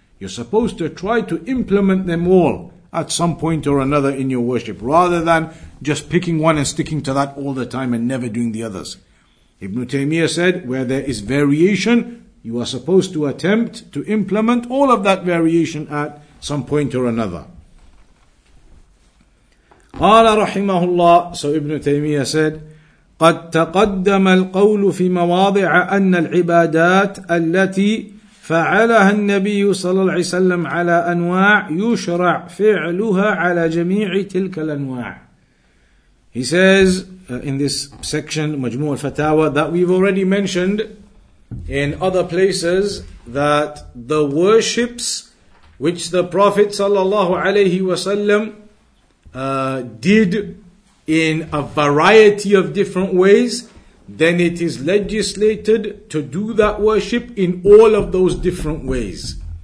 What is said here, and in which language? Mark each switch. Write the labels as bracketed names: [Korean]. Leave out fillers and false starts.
[English] You're supposed to try to implement them all at some point or another in your worship, rather than just picking one and sticking to that all the time and never doing the others. Ibn Taymiyyah said, where there is variation, you are supposed to attempt to implement all of that variation at some point or another. [Arabic] قال رحمه الله. [English] So Ibn Taymiyyah said, [Arabic] قد تقدم القول في مواضع أن العبادات التي فعلها النبي صلى الله عليه وسلم على أنواع يشرع فعلها على جميع تلك الأنواع. [English] He says in this section, مجموع الفتاوى, that we've already mentioned in other places that the worships which the Prophet sallallahu alayhi wasallam did in a variety of different ways, then it is legislated to do that worship in all of those different ways.